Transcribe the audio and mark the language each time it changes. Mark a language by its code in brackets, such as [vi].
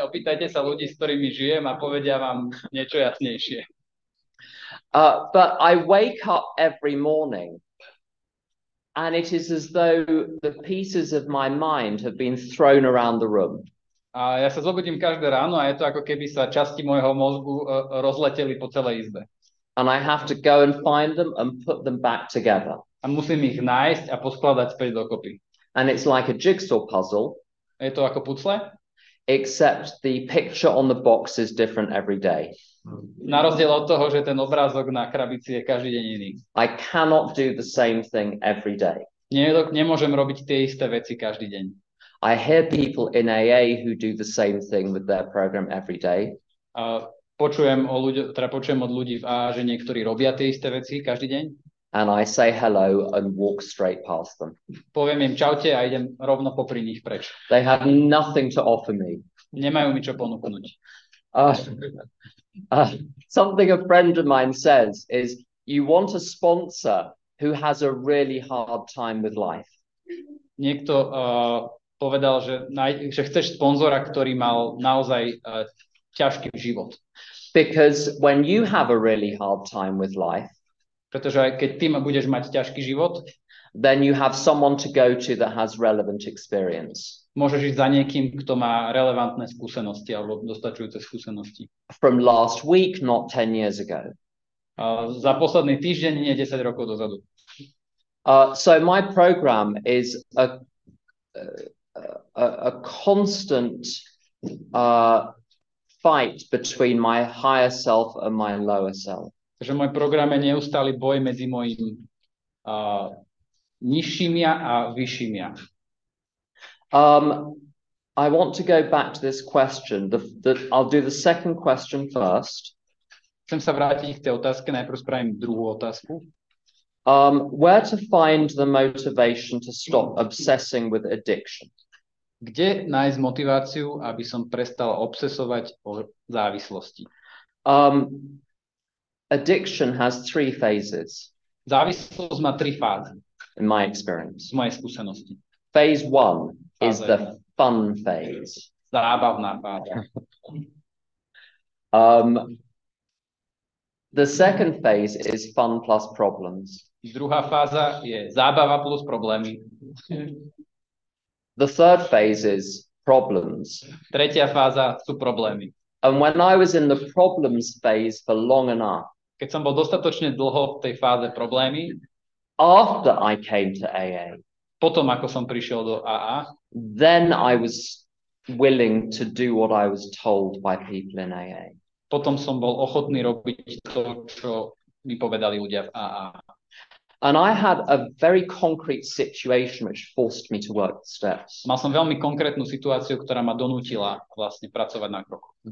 [sk] Opýtajte sa ľudí, s ktorými žijem, a povedia vám niečo jasnejšie. [en] But I wake up every morning and it is as though the pieces of my mind have been thrown around the room. [sk] A ja sa zobudím každé ráno a je to ako keby sa časti môjho mozgu rozleteli po celej izbe. [en] And I have to go and find them and put them back together. [sk] A musím ich nájsť a poskladať späť dokopy. [en] And it's like a jigsaw puzzle. [sk] Je to ako puzzle? [en] Except the picture on the box is different every day. [sk] Na rozdiel od toho, že ten obrázok na krabici je každý deň iný. [en] I cannot do the same thing every day. [sk] Nemôžem robiť tie isté veci každý deň. [en] I hear people in AA who do the same thing with their program every day. [sk] Počujem od ľudí v AA, že niektorí robia tie isté veci každý deň. [en] And I say hello and walk straight past them. [sk] Poviem im čaute a idem rovno popri nich preč. [en] They have nothing to offer me. [sk] Nemajú mi čo ponúknuť. [en] Something a friend of mine says is, you want a sponsor who has a really hard time with life. [sk] Niekto povedal, že chceš sponzora, ktorý mal naozaj ťažký život. [en] Because when you have a really hard time with life, [sk] pretože aj keď ty budeš mať ťažký život, [en] then you have someone to go to that has relevant experience. [sk] Môžeš ísť za niekým, kto má relevantné skúsenosti alebo dostačujúce skúsenosti. [en] From last week, not 10 years ago. [sk] Za posledný týždeň, nie 10 rokov dozadu. [en] So my program is a constant fight between my higher self and my lower self. [sk] Takže môj program je neustály boj medzi mojim nižším ja a vyšším ja. [en] I want to go back to this question. I'll do the second question first. [sk] Chcem sa vrátiť k tej otázke, najprv spravím druhú otázku. [en] Where to find the motivation to stop obsessing with addiction? [sk] Kde nájsť motiváciu, aby som prestal obsesovať o závislosti? [en] Addiction has three phases. [sk] Závislosť má tri fázy. [en] In my experience. [sk] Z mojej skúsenosti. [en] Phase one is the fun phase. [sk] Zábavná fáza. [en] The second phase is fun plus problems. [sk] Druhá fáza je zábava plus problémy. [en] The third phase is problems. [sk] Tretia fáza sú problémy. [en] And when I was in the problems phase for long enough, [sk] keď som bol dostatočne dlho v tej fáze problémy, [en] after I came to AA, [sk] potom ako som prišiel do AA, [en] then I was willing to do what I was told by people in AA. [sk] Potom som bol ochotný robiť to, čo mi povedali ľudia v AA. [en] And I had a very concrete situation which forced me to work the steps. [sk] Mal som veľmi konkrétnu situáciu, ktorá ma donútila vlastne pracovať na kroku.